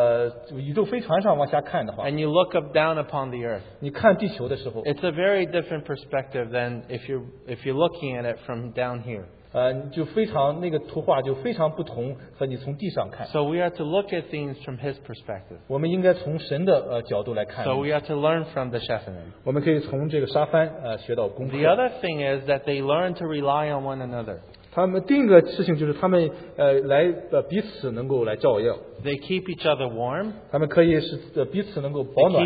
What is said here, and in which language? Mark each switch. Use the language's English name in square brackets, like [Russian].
[Chinese] 你要是看到从这个宇宙飞船上往下看的话， [English] and you look up down upon the earth, [Chinese] 你看地球的时候， [English] it's a very different perspective than if you're looking at it from down here. [Chinese] 就非常那个图画就非常不同和你从地上看。 [English] So we are to look at things from His perspective. [Chinese] 我们应该从神的角度来看。 [English] So we are to learn from the Shephanim. [Chinese] 我们可以从这个沙帆学到功课。 [English] The other thing is that they learn to rely on one another. [Chinese] 他们第一个事情就是他们彼此能够来照耀。 [English] They keep each other warm. [Chinese] 他们可以使彼此能够保暖。